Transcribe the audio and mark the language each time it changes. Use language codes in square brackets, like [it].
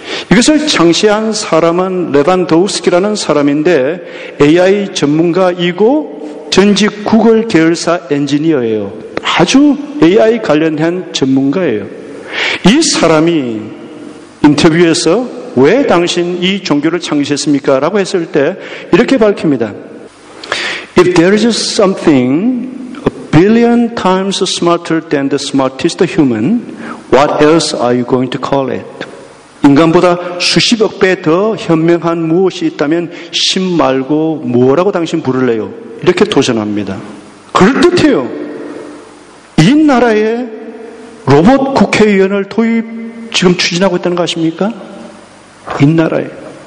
[ko] 이것을 창시한 사람은 레반도우스키라는 사람인데 AI 전문가이고 전직 구글 계열사 엔지니어예요. 아주 AI 관련한 전문가예요. 이 사람이 인터뷰에서 왜 당신 이 종교를 창시했습니까? 라고 했을 때 이렇게 밝힙니다. [en] If there is something a billion times smarter than the smartest human, what else are you going to call it? [ko] 인간보다 수십억 배 더 현명한 무엇이 있다면 신 말고 뭐라고 당신 부를래요? 이렇게 도전합니다. 그럴듯해요. 이 나라에 로봇 국회의원을 도입 지금 추진하고 있다는 거 아십니까? 이 나라에.